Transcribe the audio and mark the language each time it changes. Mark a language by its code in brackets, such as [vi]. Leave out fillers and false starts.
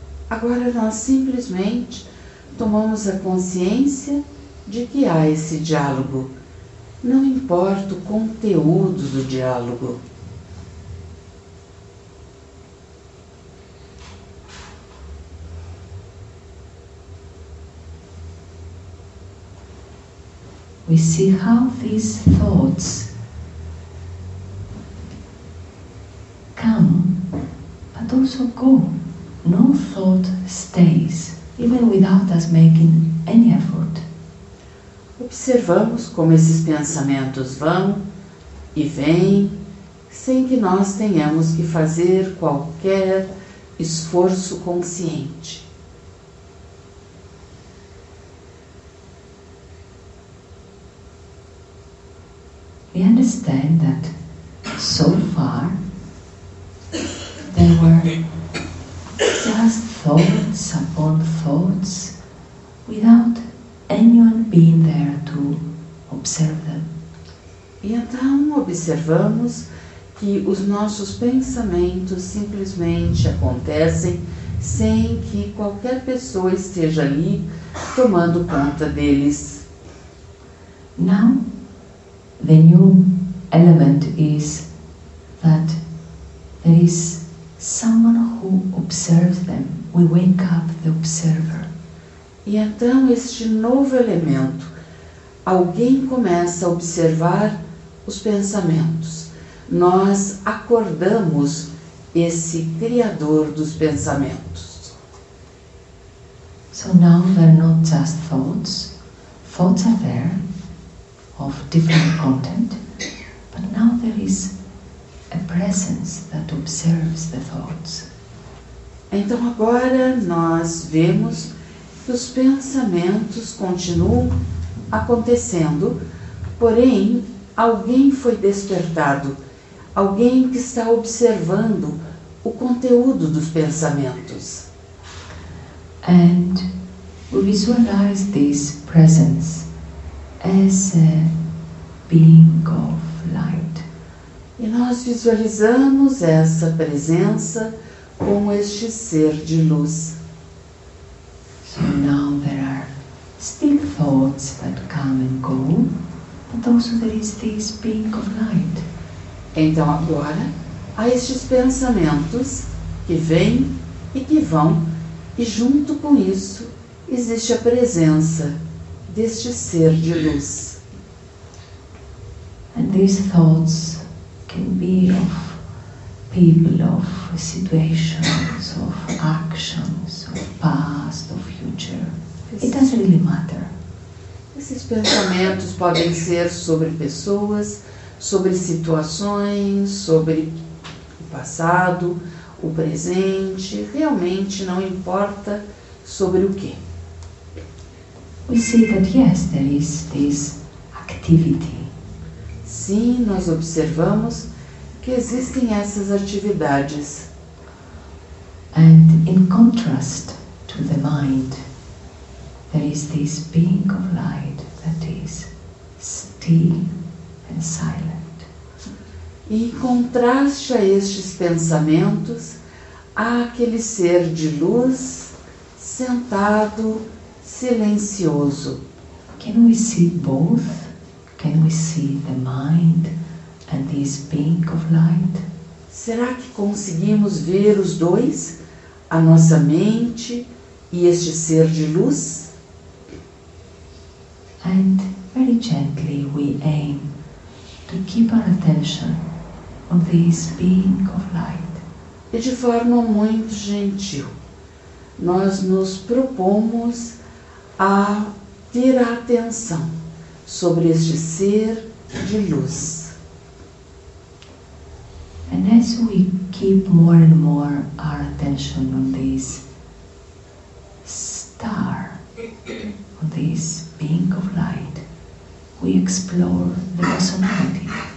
[pt] Agora nós simplesmente tomamos a consciência de que há esse diálogo. Não importa o conteúdo do diálogo. [en] We see how these thoughts come, but also go. No thought stays, even without us making any effort. [pt] Observamos como esses pensamentos vão e vêm, sem que nós tenhamos que fazer qualquer esforço consciente. [en] We understand that so far there were just thoughts upon thoughts without anyone being there to observe them. [pt] E então observamos que os nossos pensamentos simplesmente acontecem sem que qualquer pessoa esteja ali tomando conta deles. [en] Now, the new element is that there is someone who observes them. We wake up the observer. [pt] E então este novo elemento, alguém começa a observar os pensamentos. Nós acordamos esse criador dos pensamentos. [en] So now they're not just thoughts. Thoughts are there. Of different content, but now there is a presence that observes the thoughts. [pt] Então agora nós vemos que os pensamentos continuam acontecendo, porém alguém foi despertado, alguém que está observando o conteúdo dos pensamentos. [en] And we visualize this presence as a being of light. [pt] E nós visualizamos essa presença como este ser de luz. [en] So now there are still thoughts that come and go, but also there is this being of light. [pt] Então agora há estes pensamentos que vêm e que vão, e junto com isso existe a presença deste ser de luz. [en] And these thoughts can be of people, of situations, of actions, of past, of future. It doesn't really matter. [pt] Esses pensamentos podem ser sobre pessoas, sobre situações, sobre o passado, o presente. Realmente não importa sobre o quê. [en] We see that, yes, there is this activity. [pt] Sim, nós observamos que existem essas atividades. [en] And in contrast to the mind, there is this being of light that is still and silent. [pt] Em contraste a estes pensamentos, há aquele ser de luz sentado silencioso. [en] Can we see both? Can we see the mind and this being of light? [pt] Será que conseguimos ver os dois, a nossa mente e este ser de luz? [en] And very gently we aim to keep our attention on this being of light. [pt] E de forma muito gentil, nós nos propomos a ter a atenção sobre este ser de luz. [en] And as we keep more and more our attention on this star, on this being of light, we explore the personality.